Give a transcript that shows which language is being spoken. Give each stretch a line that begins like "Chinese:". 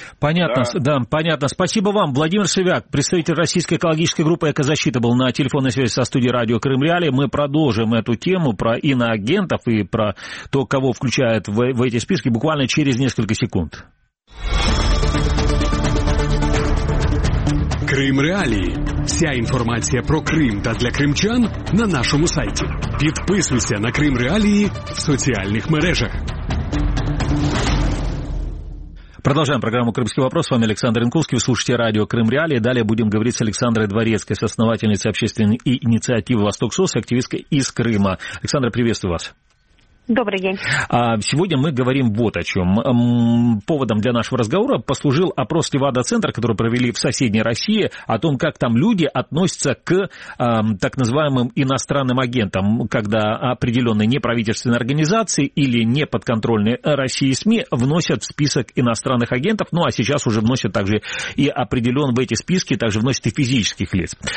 Russian: Понятно, да, да, понятно. Спасибо вам. Владимир Шевяк, представитель российской экологической группы «Экозащита», был на телефонной связи со студией радио «Крым Реалии». Мы продолжим эту тему про иноагентов и про то, кого включают в эти списки, буквально через несколько секунд.
Ukrainian: Крым Реалії. Вся інформація про Крим та для кримчан на нашому сайті. Підписуйся на Крим Реалії в соціальних мережах.
Russian: Продолжаем программу «Крымский вопрос». С вами Александр Янковский. Вы слушаете радио «Крым Реалии». Далее будем говорить с Александрой Дворецкой, соосновательницей общественной инициативы «Восток СОС», активисткой из Крыма. Александра, приветствую вас. Добрый день. Сегодня мы говорим вот о чем. Поводом для нашего разговора послужил опрос Левада-центра, который провели в соседней России, о том, как там люди относятся к так называемым иностранным агентам, когда определенные неправительственные организации или неподконтрольные России СМИ вносят в список иностранных агентов, ну а сейчас уже вносят также и определенные в эти списки, также вносят и физических лиц.